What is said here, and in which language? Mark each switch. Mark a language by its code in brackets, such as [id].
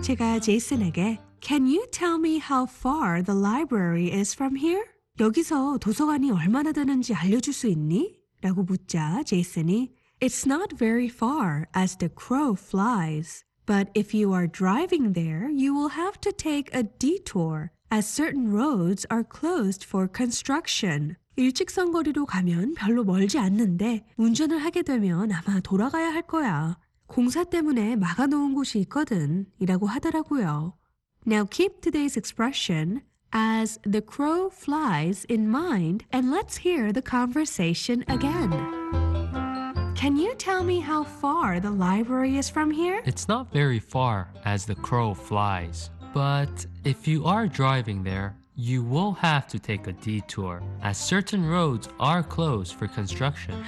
[ko] 제가 제이슨에게 [en] Can you tell me how far the library is from here? [ko] 여기서 도서관이 얼마나 되는지 알려줄 수 있니? 라고 묻자 제이슨이 [en] It's not very far as the crow flies, but if you are driving there, you will have to take a detour as certain roads are closed for construction. [ko] 일직선 거리로 가면 별로 멀지 않는데 운전을 하게 되면 아마 돌아가야 할 거야. 공사 때문에 막아놓은 곳이 있거든 이라고 하더라고요. [en] Now keep today's expression as the crow flies in mind and let's hear the conversation again. Can you tell me how far the library is from here? It's not very far as the crow flies, but if you are driving there, you will have to take a detour as certain roads are closed for construction.